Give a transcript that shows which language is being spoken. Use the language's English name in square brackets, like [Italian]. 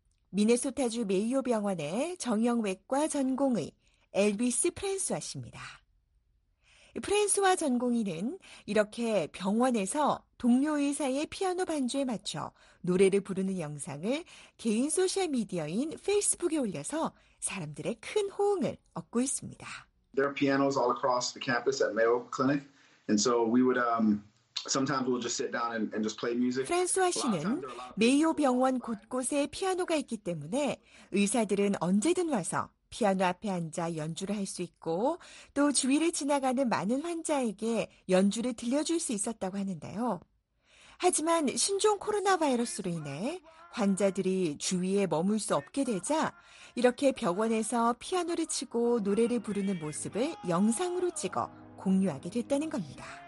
[Korean] 미네소타주 메이오 병원의 정형외과 전공의 엘비스 프랜스와 씨입니다. 프랜스와 전공의는 이렇게 병원에서 동료 의사의 피아노 반주에 맞춰 노래를 부르는 영상을 개인 소셜미디어인 페이스북에 올려서 사람들의 큰 호응을 얻고 있습니다. [English] There are pianos all across the campus at Mayo Clinic. And so we would sometimes we'll just sit down and just play music. [Korean] 프랜스와 씨는 메이오 병원 곳곳에 피아노가 있기 때문에 의사들은 언제든 와서 피아노 앞에 앉아 연주를 할 수 있고 또 주위를 지나가는 많은 환자에게 연주를 들려줄 수 있었다고 하는데요. 하지만 신종 코로나 바이러스로 인해 환자들이 주위에 머물 수 없게 되자 이렇게 병원에서 피아노를 치고 노래를 부르는 모습을 영상으로 찍어 공유하게 됐다는 겁니다.